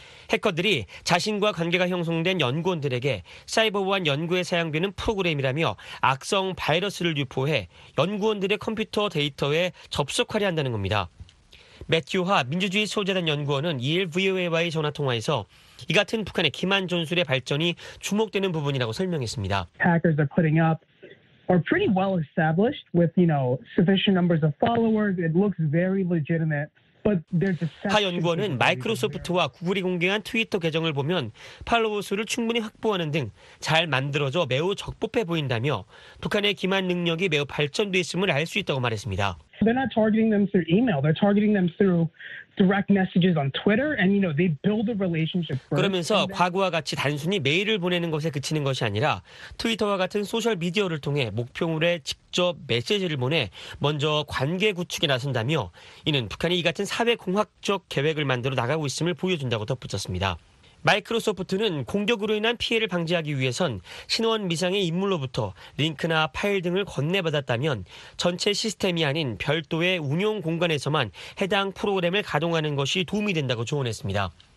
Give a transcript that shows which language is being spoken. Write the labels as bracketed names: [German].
[Korean] 해커들이 자신과 관계가 형성된 연구원들에게 사이버보안 연구에 사용되는 프로그램이라며 악성 바이러스를 유포해 연구원들의 컴퓨터 데이터에 접속하려 한다는 겁니다. 매튜화 민주주의 소재단 연구원은 2일 VOA와의 전화통화에서 이 같은 북한의 기만 전술의 발전이 주목되는 부분이라고 설명했습니다. [English] Hackers are putting up are pretty well established with, you know, sufficient numbers of followers. It looks very legitimate. But there's a [Korean] 하 연구원은 마이크로소프트와 구글이 공개한 트위터 계정을 보면 팔로워 수를 충분히 확보하는 등 잘 만들어져 매우 적법해 보인다며 북한의 기만 능력이 매우 발전돼 있음을 알 수 있다고 말했습니다. [English] They're not targeting them through email. They're targeting them through direct messages on Twitter and you know they build a relationship first. [Korean] 그러면서 과거와 같이 단순히 메일을 보내는 것에 그치는 것이 아니라 트위터와 같은 소셜 미디어를 통해 목표물에 직접 메시지를 보내 먼저 관계 구축에 나선다며 이는 북한이 이 같은 사회 공학적 계획을 만들어 나가고 있음을 보여준다고 덧붙였습니다. 마이크로소프트는 공격으로 인한 피해를 방지하기 위해선 신원 미상의 인물로부터 링크나 파일 등을 건네받았다면 전체 시스템이 아닌 별도의 운영 공간에서만 해당 프로그램을 가동하는 것이 도움이 된다고 조언했습니다.